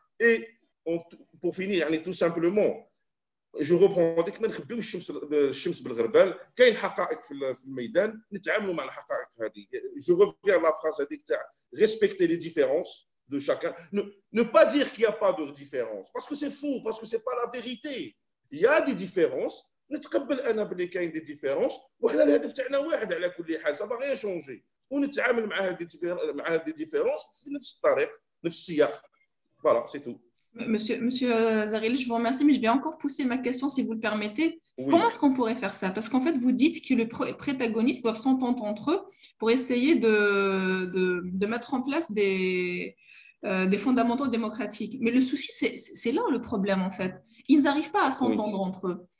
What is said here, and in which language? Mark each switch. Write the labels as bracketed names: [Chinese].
[French] Et pour finir, tout simplement... Je reprends dès que je peux chimps le rebelle, qu'il y a une phrase qui est le maïdan, je reviens à la phrase respecter les différences de chacun. Ne pas dire qu'il n'y a pas de différence, parce que c'est faux, parce que ce n'est pas la vérité. Il y a des différences. [Arabic] نتقبل انا بلي كاين دي ديفيرونس وحنا الهدف تاعنا واحد على كل حال صافا غير شونجي ونتعامل مع هاد مع هاد دي ديفيرونس في نفس الطريق نفس السياق [French] فوالا سي تو Monsieur Zaril, je vous remercie, mais je vais encore pousser ma question si vous le permettez. Oui. Comment est-ce qu'on pourrait faire ça? Parce qu'en fait, vous dites que les protagonistes doivent s'entendre entre eux pour essayer de mettre en place des fondamentaux démocratiques. Mais le souci, c'est là le problème, en fait. Ils n'arrivent pas à s'entendre entre eux.